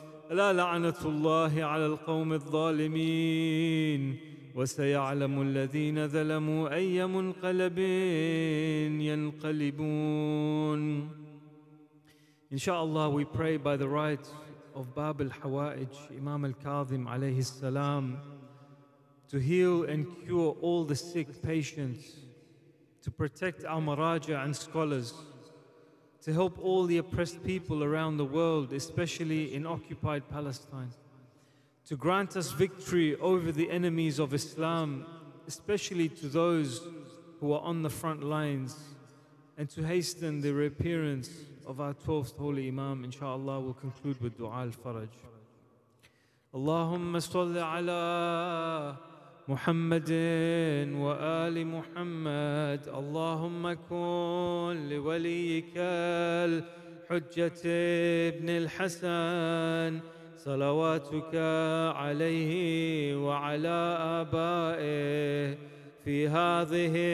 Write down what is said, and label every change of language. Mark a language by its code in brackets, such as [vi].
[ar] لا لعنة الله على القوم الظالمين وسيعلم الذين ظلموا أي منقلب ينقلبون. [en] Inshallah, we pray by the right of Bab al-Hawa'ij, Imam al-Kadhim alayhi salam, to heal and cure all the sick patients, to protect our maraja and scholars, to help all the oppressed people around the world, especially in occupied Palestine, to grant us victory over the enemies of Islam, especially to those who are on the front lines, and to hasten the reappearance of our 12th Holy Imam. Inshallah, we'll conclude with Dua al-Faraj. [ar] Allahumma salli ala محمد وآل محمد اللهم كن لوليك الحجة ابن الحسن صلواتك عليه وعلى آبائه في هذه